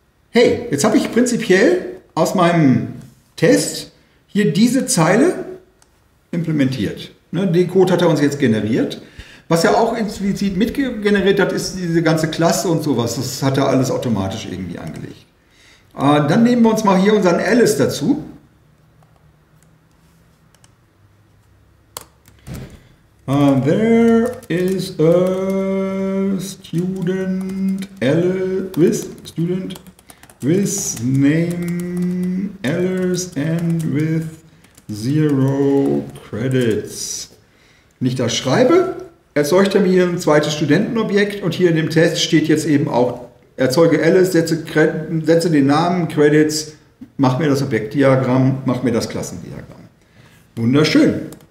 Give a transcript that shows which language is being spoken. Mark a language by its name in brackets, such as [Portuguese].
[German] Hey, jetzt habe ich prinzipiell aus meinem Test hier diese Zeile implementiert. Ne, den Code hat er uns jetzt generiert. Was er auch explizit mitgeneriert hat, ist diese ganze Klasse und sowas. Das hat er alles automatisch irgendwie angelegt. Dann nehmen wir uns mal hier unseren Alice dazu. [English] There is a student with name Alice and with 0 credits. [German] Wenn ich das schreibe, erzeugt er mir hier ein zweites Studentenobjekt und hier in dem Test steht jetzt eben auch erzeuge Alice, setze den Namen, Credits, mach mir das Objektdiagramm, mach mir das Klassendiagramm. Wunderschön.